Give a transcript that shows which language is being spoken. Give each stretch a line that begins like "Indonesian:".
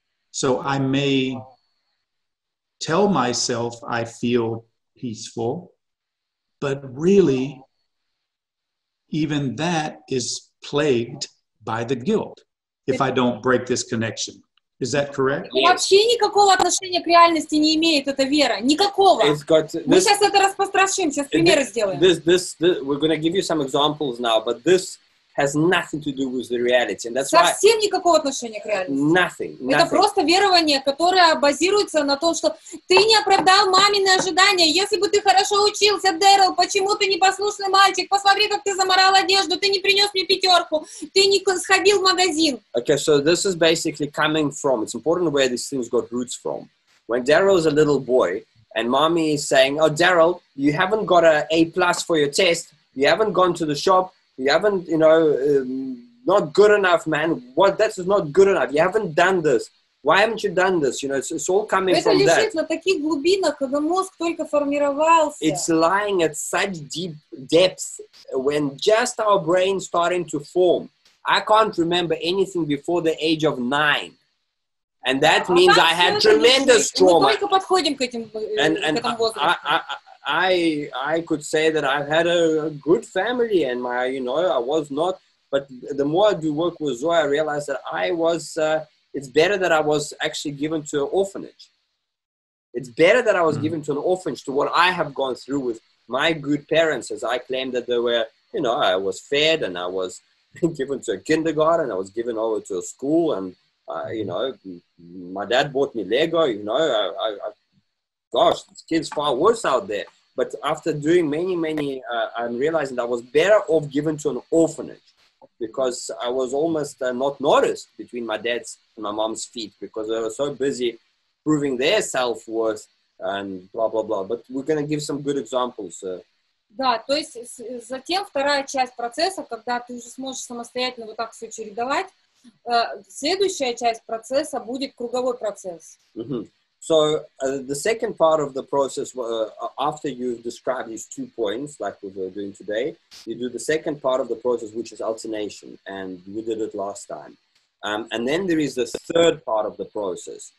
English: So I may tell myself I feel peaceful, but really, even that is plagued by the guilt if I don't break this connection. Is that correct? Yes.
Russian: Вообще никакого отношения к реальности не имеет эта вера. Никакого.
English: It's got to, this,
Russian: мы сейчас это распространим, сейчас примеры
English: this,
Russian: сделаем.
English: This, we're going to give you some examples now, but this has nothing to do with the reality. And that's
Russian: совсем
English: why,
Russian: никакого отношения к реальности.
English: Nothing.
Russian: Это просто верование, которое базируется на том, что ты не оправдал мамины ожидания. Если бы ты хорошо учился, Дэрил, почему ты непослушный мальчик? Посмотри, как ты заморал одежду. Ты не принес мне пятерку. Ты не сходил в магазин.
English: Okay, so this is basically coming from, it's important where these things got roots from. When Дэрил is a little boy, and mommy is saying, oh, Дэрил, you haven't got an A+ for your test, you haven't gone to the shop, you haven't, you know, not good enough, man. What? That's not good enough. You haven't done this. Why haven't you done this? You know, it's all coming from that.
Russian: Это лежит на таких глубинах, когда мозг только формировался.
English: It's lying at such deep depths when just our brain starting to form. I can't remember anything before the age of 9. And that means I had tremendous trauma.
Russian: Мы только подходим к этим, возрасту.
English: I could say that I've had a good family and my, you know, I was not, but the more I do work with Zoe, I realize that I was, it's better that I was actually given to an orphanage. It's better that I was given to an orphanage to what I have gone through with my good parents, as I claimed that they were, you know, I was fed and I was given to a kindergarten, I was given over to a school and, you know, my dad bought me Lego, you know, gosh, this kid's far worse out there. But after doing many, many, I'm realizing that I was better off given to an orphanage because I was almost not noticed between my dad's and my mom's feet because they were so busy proving their self-worth and blah, blah, blah. But we're going to give some good examples.
Russian: Да, то есть затем вторая часть процесса, когда ты уже сможешь самостоятельно вот так все чередовать, следующая часть процесса будет круговой процесс.
English: So the second part of the process, after you've described these two points, like we were doing today, you do the second part of the process, which is alternation, and we did it last time. And then there is the third part of the process.